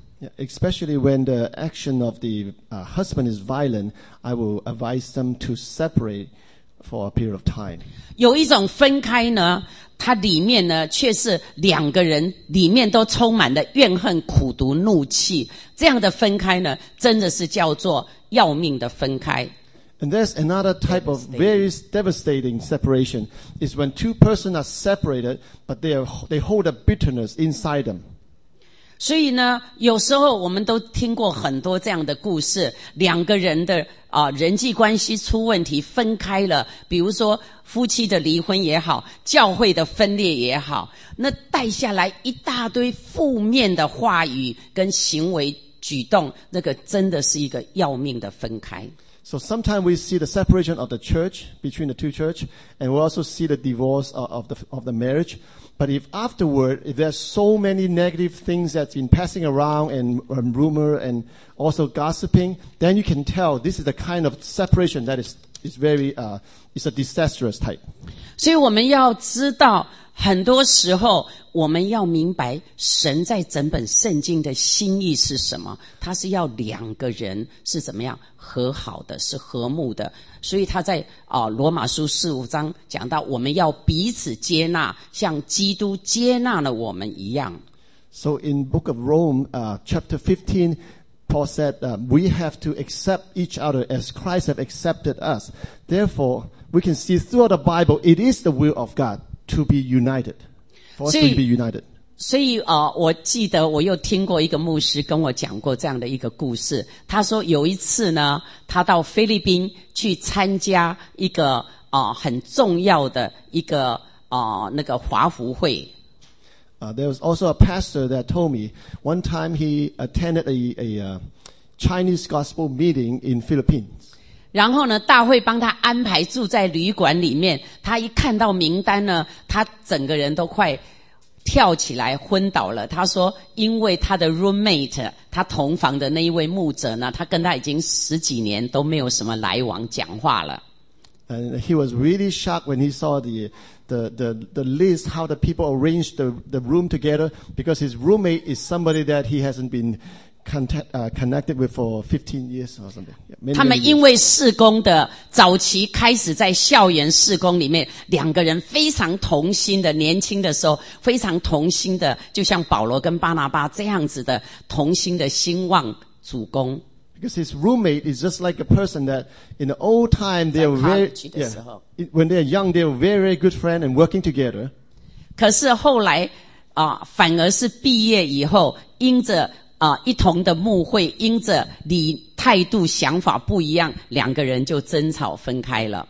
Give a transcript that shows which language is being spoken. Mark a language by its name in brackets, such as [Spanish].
[English] Yeah, especially when the action of the husband is violent, I will advise them to separate for a period of time. [Chinese] 有一种分开呢，它里面呢却是两个人里面都充满了怨恨、苦毒、怒气。这样的分开呢，真的是叫做要命的分开。 [English] And there's another type of very devastating separation is when two persons are separated, but they hold a bitterness inside them. [Chinese] 所以呢，有时候我们都听过很多这样的故事，两个人的人际关系出问题，分开了，比如说夫妻的离婚也好，教会的分裂也好，那带下来一大堆负面的话语跟行为举动，那个真的是一个要命的分开。 [English] So sometimes we see the separation of the church between the two church, and we also see the divorce of the marriage. But if afterward, if there's so many negative things that's been passing around and rumor and also gossiping, then you can tell this is the kind of separation that is a disastrous type. [Chinese] 所以我们要知道，很多时候我们要明白神在整本圣经的心意是什么，他是要两个人是怎么样和好的，是和睦的。所以他在罗马书四五章讲到，我们要彼此接纳，像基督接纳了我们一样。 [English] So in book of Rome, chapter 15, Paul said, we have to accept each other as Christ have accepted us. Therefore, we can see throughout the Bible, it is the will of God. To be united, for us to be united. [Chinese] 所以，我记得我又听过一个牧师跟我讲过这样的一个故事。他说有一次呢，他到菲律宾去参加一个很重要的一个那个华福会。 [English] There was also a pastor that told me one time he attended a Chinese gospel meeting in Philippines. [Chinese] 然后呢，大会帮他安排住在旅馆里面。他一看到名单呢，他整个人都快跳起来昏倒了。他说，因为他的 roommate， 他同房的那一位牧者呢，他跟他已经十几年都没有什么来往讲话了。 [English] And he was really shocked when he saw the list how the people arranged the room together because his roommate is somebody that he hasn't been. Connected with for 15 years or something. Yeah, many, [Chinese] 他们因为事工的早期开始在校园事工里面，两个人非常同心的，年轻的时候非常同心的，就像保罗跟巴拿巴这样子的同心的兴旺主工。 [English] Because his roommate is just like a person that in the old time they were very, when they are young they were very, very good friend and working together. [Chinese] 可是后来反而是毕业以后因着一同的牧会因着你态度想法不一样，两个人就争吵分开了。